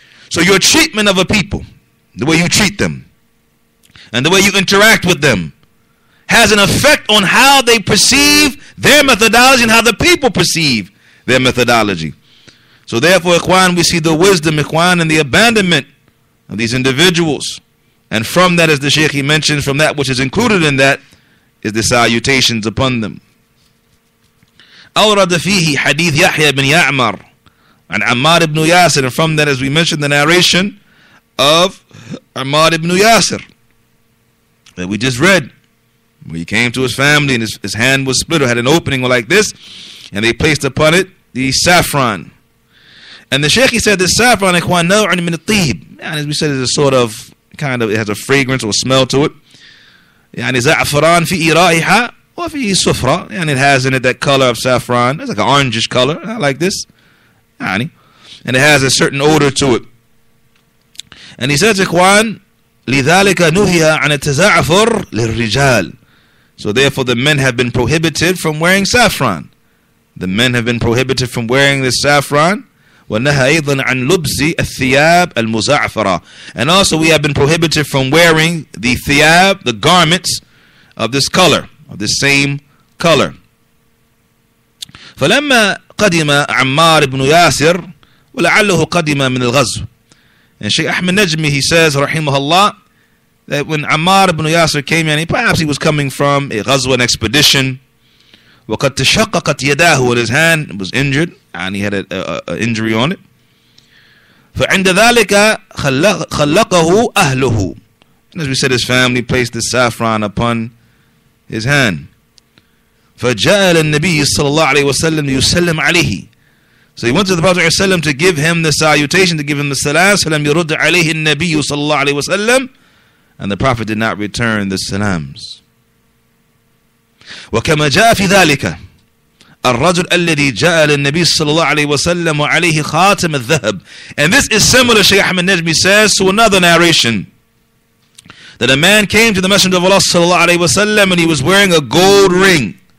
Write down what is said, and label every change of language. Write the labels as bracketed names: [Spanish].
[English] So your treatment of a people, the way you treat them, and the way you interact with them, has an effect on how they perceive their methodology and how the people perceive their methodology. So therefore, Ikhwan, we see the wisdom, Ikhwan, and the abandonment of these individuals. And from that, as the Shaykh he mentions, from that which is included in that, is the salutations upon them. [Arabic] أورد فيه حديث يحيى بن يعمر عن عمار بن ياسر. [English] And from that, as we mentioned, the narration of عمار بن ياسر that we just read. He came to his family and his hand was split or had an opening like this, and they placed upon it the saffron. And the Shaykh, he said, the saffron, إخوان [Arabic] نوع من الطيب. [English] And as we said, it's a sort of, kind of, it has a fragrance or smell to it. [Arabic] يعني زعفران في رائحة وفي سفرة. [English] And it has in it that color of saffron. It's like an orangish color. I like this. يعني. And it has a certain odor to it. And he says, [Arabic] إخوان, لذلك نهي عن التزعفر للرجال. [English] So therefore the men have been prohibited from wearing saffron. The men have been prohibited from wearing this saffron. [Arabic] ونهى أيضا عن لبس الثياب المزعفرة. [English] And also we have been prohibited from wearing the thiyab, the garments of this color, of this same color. [Arabic] فلما قدم عمار بن ياسر ولعله قدم من الغزو. [English] And Shaykh Ahmed Najmi, he says, رحمه الله, that when عمار بن ياسر came, and perhaps he was coming from a غزو, an expedition, [Arabic] وقد تشققت يداه, [English] and his hand was injured, and he had an injury on it. [Arabic] فعند ذلك خلقه أهله. [English] And as we said, his family placed the saffron upon his hand. [Arabic] فجاء النبي صلى الله عليه وسلم يسلم عليه. [English] So he went to the Prophet ﷺ to give him the salutation, to give him the salam. [Arabic] فلم يرد عليه النبي صلى الله عليه وسلم. [English] And the Prophet did not return the salams. [Arabic] وكما جاء في ذلك الرجل الذي جاء للنبي صلى الله عليه وسلم وعليه خاتم الذهب. [English] And this is similar, Shaykh Ahmed Najmi says, to another narration that a man came to the Messenger of Allah صلى الله عليه وسلم and he was wearing a gold ring.